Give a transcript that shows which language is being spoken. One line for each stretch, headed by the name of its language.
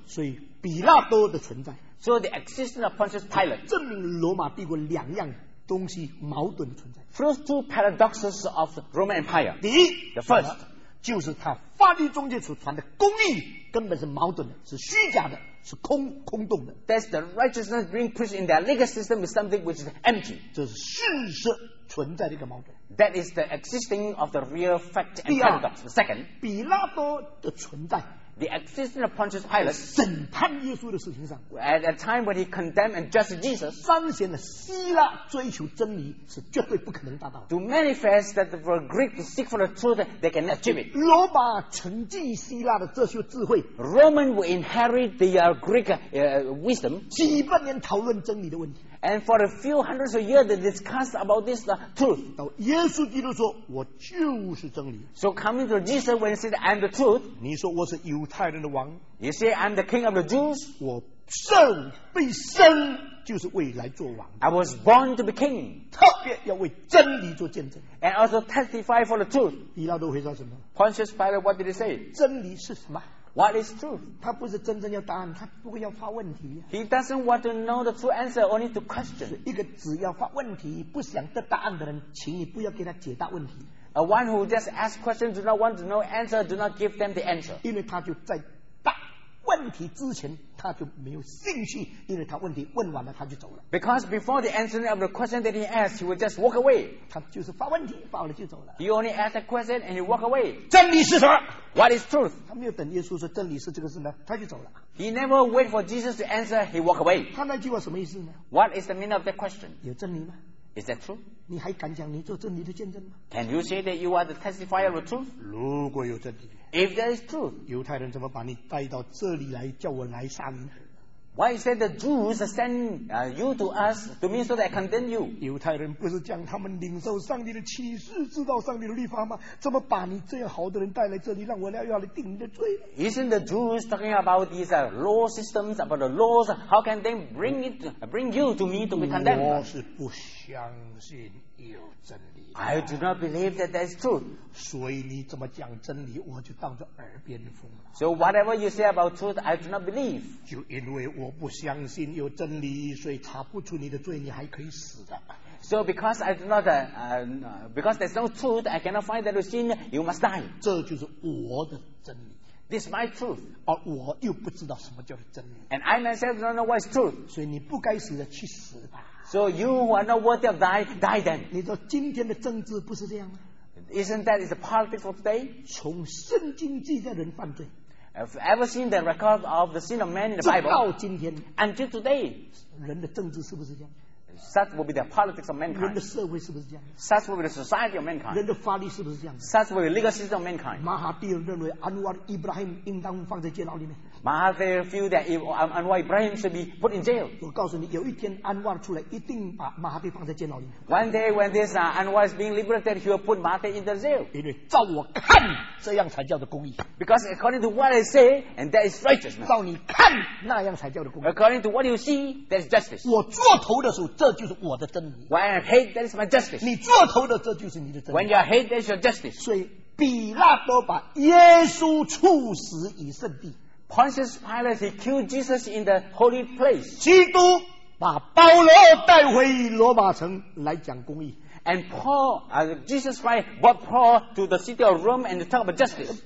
Chinese: 所以比拉多的存在。
English: So the existence of Pontius Pilate.
Chinese: 证明罗马帝国两样东西矛盾的存在。
English: First two paradoxes of the Roman Empire.
Chinese: 第一
English: The first.
Chinese: 就是他法律中间所传的公义根本是矛盾的是虚假的是空洞的
English: That's the righteousness being preached in their legal system is something which is empty
Chinese: 这是事实存在的一个矛盾
English: That is the existing of the real fact and paradox The second
Chinese: 比拉多的存在
English: The existence of Pontius Pilate
Chinese: 审判耶稣的事情上
English: At a time when he condemned and judged Jesus
Chinese: 彰显了希腊追求真理是绝对不可能达到
English: To manifest that for Greek to seek for the truth they can achieve it
Chinese: 罗马承继希腊的哲学智慧
English: Roman will inherit the Greek wisdom
Chinese: 几百年讨论真理的问题
English: And for a few hundreds of years they discussed about thisTruth.
Chinese: 到耶稣基督说我就是真理
English: So coming to Jesus when he said I'm the truth
Chinese: 你说我是犹太人的王
English: You say I'm the king of the Jews
Chinese: 我生被生就是为来做王
English: I was born to be king
Chinese: 特别要为真理做见证
English: And also testify for the truth
Chinese: 比拉多回答什么
English: Pontius Pilate what did he say
Chinese: 真理是什么
English: What is truth?
Chinese: 他不是真正要答案，他不会要发问题。
English: He doesn't want to know the true answer, only to question.
Chinese: 一个只要发问题，不想得答案的人，请你不要给他解答问题。
English: A one who just asks questions, do not want to know answer, do not give them the answer.
Chinese: 因为他就在答问问题之前他就没有兴趣，因为他问题问完了他就走了。
English: Because before the answering of the question that he asked, he would just walk away.
Chinese: 他就是发问题，发了就走了。
English: He only asked a question and he walked away.
Chinese: 真理是什么？
English: What is truth?
Chinese: 他没有等耶稣说真理是这个事呢，他就走了。
English: He never wait for Jesus to answer, he walked away.
Chinese: 他那句话什么意思呢？
English: What is the meaning of that question?
Chinese: 有真理吗？
English: Is that true?
Chinese: 你还敢讲你做真理的见证吗？
English: Can you say that you are the testifier of truth?
Chinese: 如果有真理，
English: If there is truth,
Chinese: 犹太人怎么把你带到这里来叫我来杀你呢？
English: Why is it the Jews send you to us to me so that I condemn you?
Chinese: 犹太人不是讲他们领受上帝的启示，知道上帝的律法吗？怎么把你这样好的人带来这里，让我要来定你的罪呢？
English: Isn't the Jews talking about these law systems, about the laws? How can they bring you to me to be condemned?
Chinese: 我是不相信有真理。
English: I do not believe that that is truth.
Chinese: 所以你怎么讲真理，我就当作耳边风。
English: So whatever you say about truth, I do not believe.
Chinese: 就因为我不相信有真理，所以查不出你的罪，你还可以死的。
English: So because I do not, because there's no truth, I cannot find that sin, you must die.
Chinese: 这就是我的真理。
English: This is my truth.
Chinese: 而我又不知道什么叫做真理。
English: And I myself do not know what is truth.
Chinese: 所以你不该死的，去死吧。
English: So you who are not worthy of die, die then.
Chinese: 你说今天的政治不是这样吗？
English: Isn't that the politics of today?
Chinese: 从圣经记载人犯罪。
English: Have you ever seen the record of the sin of man in the Bible?
Chinese: 直到今天。
English: Until today.
Chinese: 人的政治是不是这样？
English: Such will be the politics of mankind.
Chinese: 人的社会是不是这样？
English: Such will be the society of mankind.
Chinese: 人的法律是不是这样？
English: Such will be the legal system of mankind.
Chinese: 马哈蒂认为安瓦伊布拉欣应当放在监牢里面。
English: 马哈蒂 feel that Anwar Ibrahim should be put in jail.
Chinese: 我告诉你，有一天安瓦出来，一定把马哈蒂放在监牢里面。
English: One day when this Anwar is being liberated, he will put马哈蒂 in the jail.
Chinese: 因为照我看，这样才叫做公义。
English: Because according to what I say, and that is righteousness.
Chinese: 照你看，那样才叫做公义。
English: According to what you see, that is justice.
Chinese: 我做头的时候，这就是我的真理。
English: When I hate, that is my justice.
Chinese: 你做头的，这就是你的真理。
English: When you hate, that is your justice.
Chinese: 所以比拉多把耶稣处死于圣地。
English: Pontius Pilate, he killed Jesus in the holy place.
Chinese: 基督把保罗带回罗马城来讲公义。
English: And Paul, Jesus Christ brought Paul to the city of Rome and talk about justice.